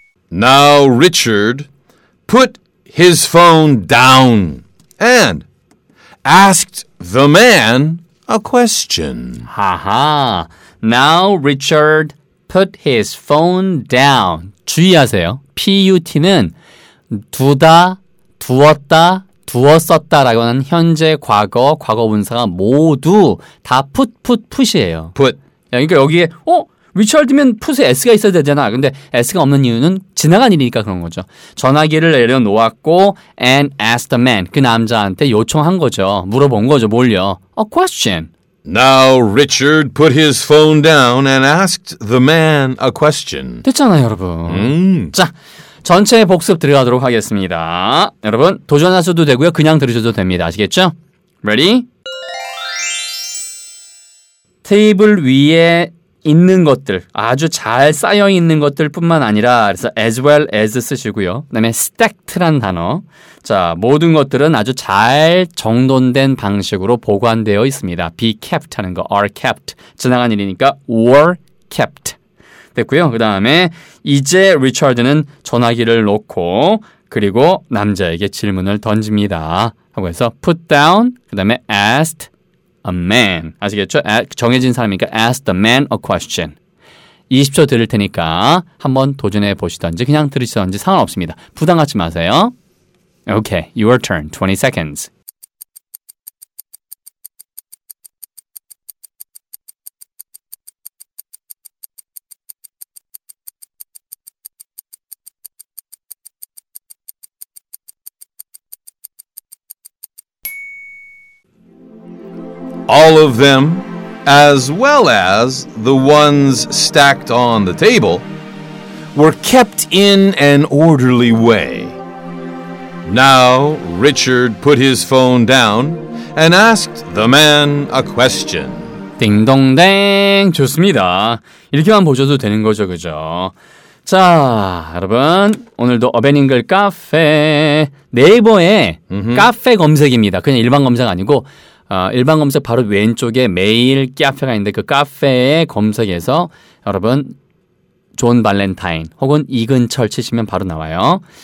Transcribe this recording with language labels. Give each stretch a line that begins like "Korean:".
English: Now Richard put his phone down and asked the man a question. Haha. Now Richard put his phone down.
Korean: 주의하세요. PUT는 두다, 두었다, 두었었다라고는 현재, 과거, 과거 분사가 모두 다 put, put, put이에요.
English: put.
Korean: 그러니까 여기에 어? 리처드면 풋에 S가 있어야 되잖아. 근데 S가 없는 이유는 지나간 일이니까 그런 거죠. 전화기를 내려놓았고
English: and asked the man.
Korean: 그 남자한테 요청한 거죠. 물어본 거죠. 뭘요?
English: A question. Now Richard put his phone down and asked the man a question.
Korean: 됐잖아요, 여러분. 자, 전체 복습 들어가도록 하겠습니다. 여러분, 도전하셔도 되고요. 그냥 들으셔도 됩니다. 아시겠죠? Ready? 테이블 위에 있는 것들, 아주 잘 쌓여 있는 것들 뿐만 아니라, 그래서
English: as well as
Korean: 쓰시고요. 그 다음에 stacked라는 단어. 자, 모든 것들은 아주 잘 정돈된 방식으로 보관되어 있습니다. be kept 하는 거, are kept. 지나간 일이니까 were kept. 됐고요. 그 다음에 이제 리처드는 전화기를 놓고 그리고 남자에게 질문을 던집니다. 하고 해서 put down, 그 다음에 asked. A man. 아시겠죠? 정해진 사람이니까
English: ask the man a question.
Korean: 20초 들을 테니까 한번 도전해 보시던지 그냥 들으시던지 상관없습니다. 부담 갖지 마세요.
English: Okay, your turn. 20 seconds. All of them, as well as the ones stacked on the table, were kept in an orderly way. Now Richard put his phone down and asked the man a question.
Korean: 딩동댕, 좋습니다. 이렇게만 보셔도 되는 거죠, 그죠? 자, 여러분, 오늘도 어벤잉글 카페 네이버에 mm-hmm. 카페 검색입니다. 그냥 일반 검색 아니고 일반 검색 바로 왼쪽에 메일 카페가 있는데 그 카페에 검색해서 여러분 존 발렌타인 혹은 이근철 치시면 바로 나와요.